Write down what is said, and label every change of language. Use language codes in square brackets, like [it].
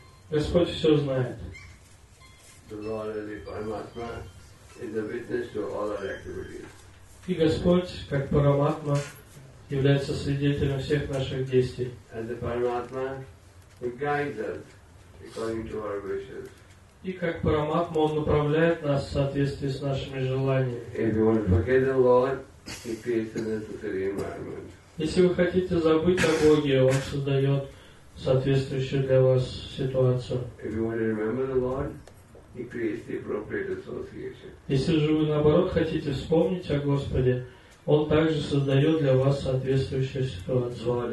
[ru] Господь все знает. И Господь, как Параматма, является свидетелем всех наших действий. [en] And the Paramatma, he guides us according to our wishes. [ru] И как Параматма, он направляет нас в соответствии с нашими желаниями. [en] If you want to forget the Lord, he creates a necessary environment. [ru] Если вы хотите забыть о Боге, он создает соответствующую для вас ситуацию. [en] If you want to remember the Lord, he creates the appropriate association. [ru] Если же вы наоборот хотите вспомнить о Господе, он также создает для вас соответствующую ситуацию.